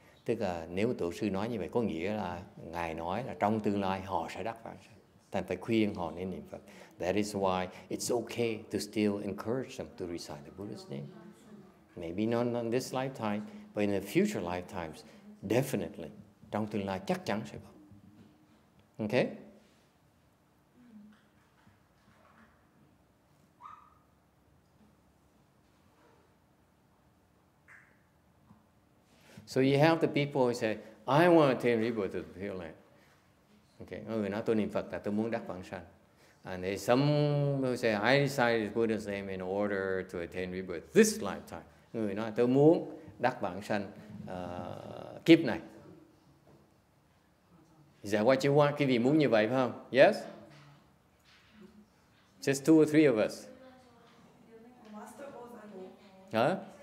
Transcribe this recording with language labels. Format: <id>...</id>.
<vi>Tức là nếu tổ sư nói như vậy có nghĩa là Ngài nói là trong tương lai họ sẽ đắc vãng sanh. Thành phải khuyên họ nên niệm Phật.</vi> <en>That is why it's okay to still encourage them to recite the Buddha's name. Maybe not in this lifetime, but in the future lifetimes, definitely,</en> <vi>trong tương lai chắc chắn sẽ có.</vi> <en>Okay? So you have the people who say, I want to attain rebirth to the Pure Land.</en> <vi>Okay, người nói tôi niệm Phật là tôi muốn đắc vãng sanh.</vi> <en>And there's some who say, I decided to put his name in order to attain rebirth this lifetime.</en> <vi>Người nói tôi muốn đắc vãng sanh kiếp này.</vi> <en>Is that what you want?</en> <vi>Quý vị muốn như vậy phải không?</vi> <en>Yes? Just two or three of us. Huh?</en>